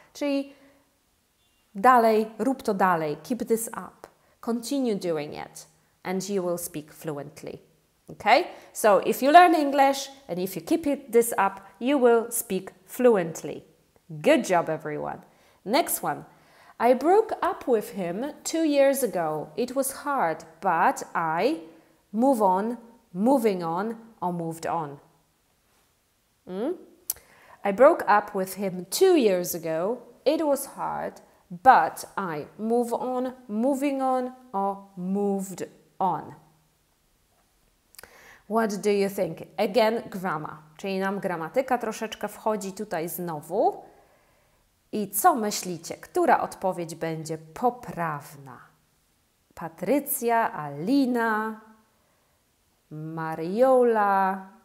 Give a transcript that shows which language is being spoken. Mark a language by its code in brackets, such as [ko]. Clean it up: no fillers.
[pl] Czyli dalej, rób to dalej. [en] Keep this up. Continue doing it. And you will speak fluently. Okay? So if you learn English and if you keep this up, you will speak fluently. Good job, everyone. Next one. I broke up with him 2 years ago. It was hard, but I move on, moving on, or moved on. I broke up with him 2 years ago. It was hard, but I move on, moving on, or moved on. What do you think? Again, grammar. [pl] Czyli nam gramatyka troszeczkę wchodzi tutaj znowu. I co myślicie? Która odpowiedź będzie poprawna? Patrycja, Alina, Mariola.